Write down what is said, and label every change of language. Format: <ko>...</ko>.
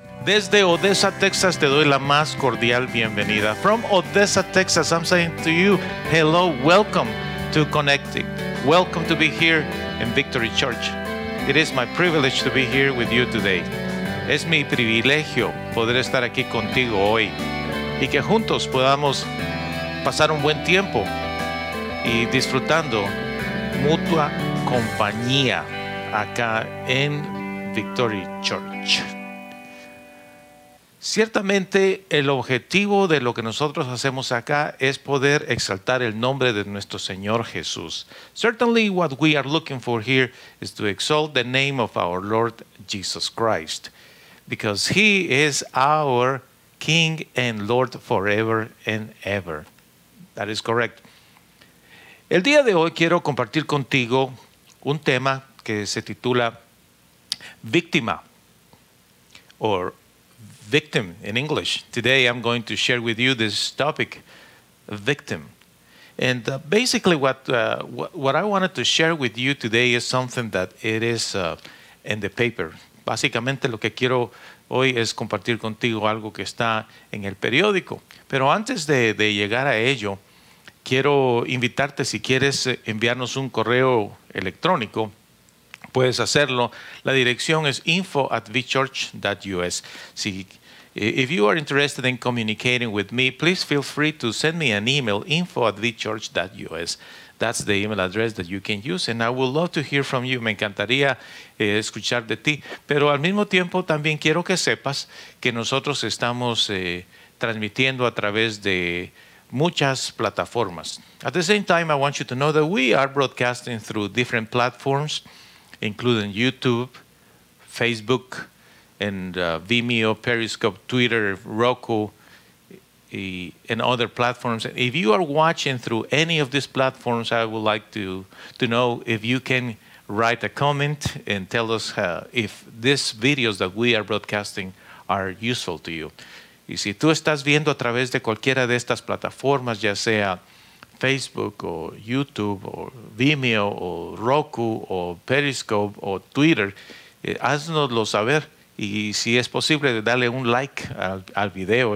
<es>Desde Odessa, Texas, te doy la más cordial bienvenida.</es> <en>From Odessa, Texas, I'm saying to you, hello, welcome to Connecting. Welcome to be here in Victory Church. It is my privilege to be here with you today.</en> <es>Es mi privilegio poder estar aquí contigo hoy y que juntos podamos pasar un buen tiempo y disfrutando mutua compañía acá en Victory Church. Ciertamente, el objetivo de lo que nosotros hacemos acá es poder exaltar el nombre de nuestro Señor Jesús.</es> <en>Certainly, what we are looking for here is to exalt the name of our Lord Jesus Christ, because He is our King and Lord forever and ever. That is correct.</en> <es>El día de hoy quiero compartir contigo un tema que se titula Víctima,</es> <en>or Victim in English. Today I'm going to share with you this topic, victim. And basically what I wanted to share with you today is something that it is in the paper.</en> <es>Básicamente lo que quiero hoy es compartir contigo algo que está en el periódico. Pero antes de llegar a ello, quiero invitarte, si quieres enviarnos un correo electrónico, puedes hacerlo. La dirección es info@vchurch.us.</es> <en>If you are interested in communicating with me, please feel free to send me an email, info@vchurch.us. That's the email address that you can use, and I would love to hear from you.</en> <es>Me encantaría escuchar de ti. Pero al mismo tiempo, también quiero que sepas que nosotros estamos transmitiendo a través de muchas plataformas.</es> <en>At the same time, I want you to know that we are broadcasting through different platforms, including YouTube, Facebook, and Vimeo, Periscope, Twitter, Roku, and other platforms. If you are watching through any of these platforms, I would like to know if you can write a comment and tell us if these videos that we are broadcasting are useful to you.</en> <es>Y si tú estás viendo a través de cualquiera de estas plataformas, ya sea Facebook or YouTube or Vimeo or Roku or Periscope or Twitter, háznoslo saber. Y si es posible, dale un like al video.</es>